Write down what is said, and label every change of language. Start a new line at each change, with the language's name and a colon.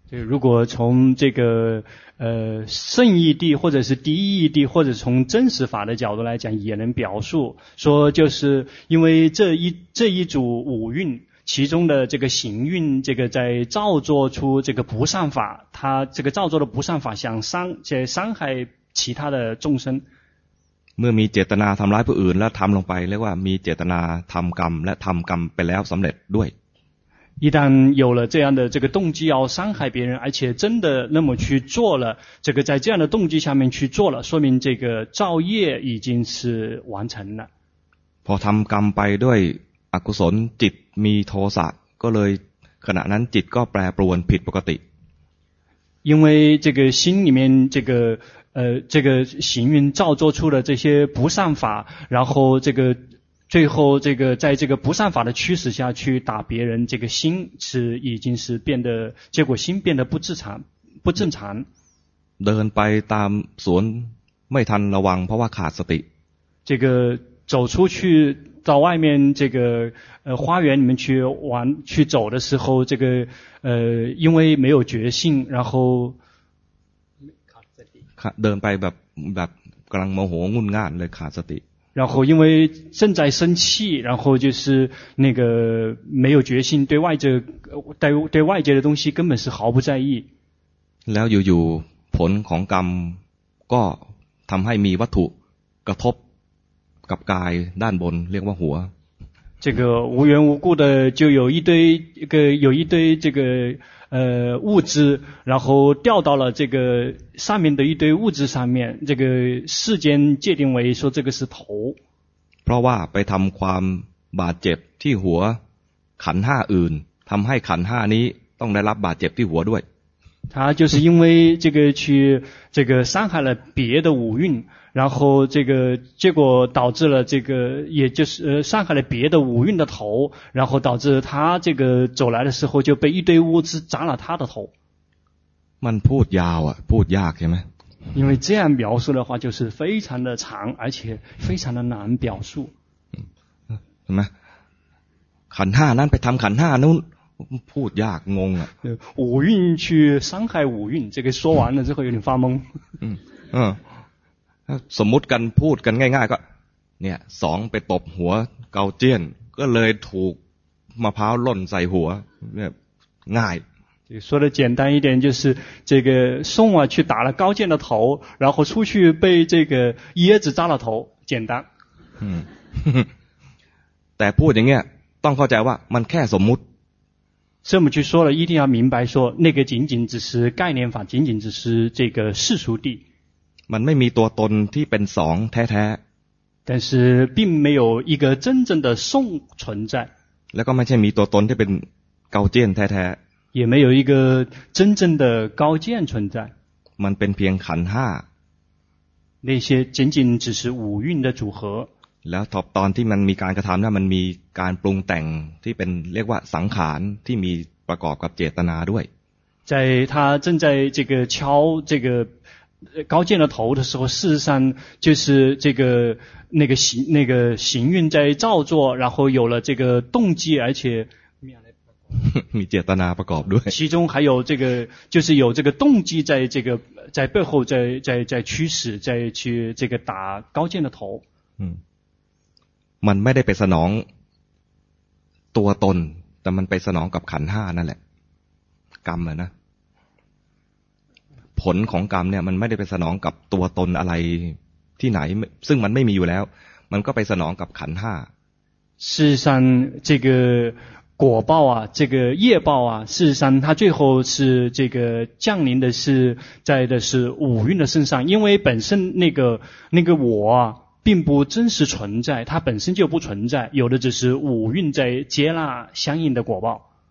Chinese: 如果从这个圣义谛或者是第一义谛或者从真实法的角度来讲也能表述说就是因为这一组五蕴其中的这个行蕴这个在造作出这个不善法他这个造作的不善法想伤害其他的众生
Thai: เมื่อมีเจตนาทำร้ายผู้อื่นแล้วทำลงไปเรียกว่ามีเจตนาทำกรรมและทำกรรมไปแล้วสำเร็จด้วย
Chinese: 一旦有了这样的这个动机要伤害别人而且真的那么去做了这个在这样的动机下面去做了说明这个造业已经是完成了
Thai: พอทำกรรมไปด้วยอกุศลจิตมีโทสะก็เลยขณะนั้นจิตก็แปรปรวนผิดปกติ
Chinese: 因为这个心里面这个行运造作出了这些不善法然后这个最后这个在这个不善法的驱使下去打别人这个心是已经是变得结果心变得不正常
Thai: เดินไปตามสวนไม่ทันระวังเพราะว่าขาดสติ
Chinese: 这个走出去到外面这个花园里面去玩去走的时候这个因为没有觉性然后
Thai: เดินไปแบบกำลังโมโหงุนง่านเลยขาดสติ
Chinese: 然后因为正在生气然后就是那个没有决心对外界对外界的东西根本是毫不在意
Thai: แล้วอยู่ๆผลของกรรมก็ทำให้มีวัตถุกระทบกับกายด้านบนเรียกว่าหัว
Chinese: 这个无缘无故的就有一堆一个有一堆这个物质然后掉到了这个上面的一堆物质上面这个世间界定为说这个是头
Thai: เพราะว่าไปทำความบาดเจ็บที่หัวขันห้าอื่นทำให้ขันห้านี้ต้องได้รับบาดเจ็บที่หัวด้วย
Chinese: 他就是因为这个去这个伤害了别的五蕴然后这个结果导致了这个也就是伤害了别的五蕴的头然后导致他这个走来的时候就被一堆物资砸了他的头
Thai: มันพูดยาวอ่ะพูดยากใช่ไหม
Chinese: 因为这样描述的话就是非常的长而且非常的难表述
Thai: ใช่ไหมขันห้านั้นไปทำขันห้านู้นพูดยากงงอ่ะ
Chinese: 五蕴去伤害五蕴这个说完了之后有点发懵
Thai: สมมุติกันพูดกันง่ายๆก็เนี่ยสองไปตบหัวเกาเจียนก็เลยถูกมะพร้าวหล่นใส่หัวเนี่ยง่าย
Chinese: 说的简单一点就是这个宋啊去打了高见的头然后出去被这个椰子扎了头简单
Thai: แต่พูดอย่างเงี้ยต้องเข้าใจว่ามันแค่สมมุติ
Chinese: 这么去说了一定要明白说那个仅仅只是概念法仅仅只是这个世俗地
Thai: มันไม่มีตัวตนที่เป็นสองแท้
Chinese: ๆ但是并没有一个真正的宋存在
Thai: แล้วก็ไม่ใช่มีตัวตนที่เป็นเกาเจียนแท้ๆ
Chinese: 也没有一个真正的高见存在
Thai: มันเป็นเพียงขันธ์ 5
Chinese: 那些仅仅只是五蕴的组合
Thai: แล้วตอนที่มันมีการกระทำนั้นมันมีการปรุงแต่งที่เป็นเรียกว่าสังขารที่มีประกอบกับเจตนาด้วย
Chinese: 在他正在这个敲这个高见的头的时候，事实上就是这个那个行那个行运在造作，然后有了这个动机，而且
Thai: มีเจตนาประกอบด้วย
Chinese: 其中还有这个就是有这个动机在这个在背后在驱使在去这个打高见的头。
Thai: มันไม่ได้ไปสนองตัวตนแต่มันไปสนองกับขันธ์ 5นั่นแหละกรรมอ่ะนะผลของกรรมเนี่ยมันไม่ได้ไปสนองกับตัวตนอะไรที่ไหนซึ่งมันไม่มีอยู่แล้วมันก็ไปสนองกับขันธ์ 5
Chinese: 事实上这个果报啊这个业报啊事实上它最后是这个降临的是在的是五蕴的身上因为本身那个我啊并不真实存在它本身就不存在有的只是五蕴在接纳相应的果报